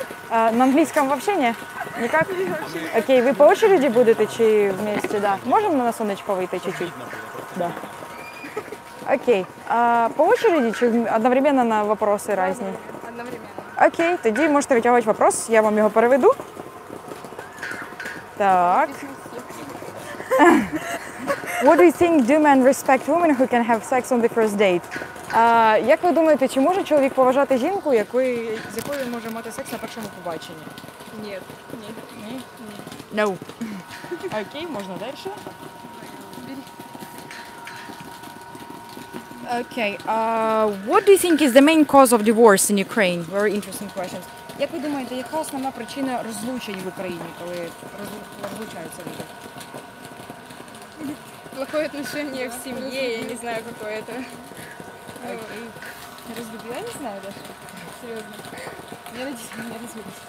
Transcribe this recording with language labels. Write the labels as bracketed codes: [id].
[ru] На английском вообще не? Никак? Окей, вы по очереди будете идти вместе, да? Можем на солнышко выйти чуть-чуть? Да. Окей. По очереди, чи одновременно на вопросы разные? Одновременно. Окей, тогда можете вытягивать вопрос, я вам его переведу. [uk] Так. [en] What do you think do men respect women who can have sex on the first date? [uk] Як ви думаете, чи може чоловік поважати жінку, з якою він може мати секс на першому побаченні? Ні. [en] No. [uk] Окей, можна далі. Окей. [en] What do you think is the main cause of divorce in Ukraine? Very interesting questions. [uk] Як ви думаєте, яка основна причина розлучень в Україні, коли розлучаються люди? [ru] Плохое отношение в семье, я не знаю, какое это. Okay. Разлюбил, я не знаю даже. Серьезно. Мне родители меня разбились.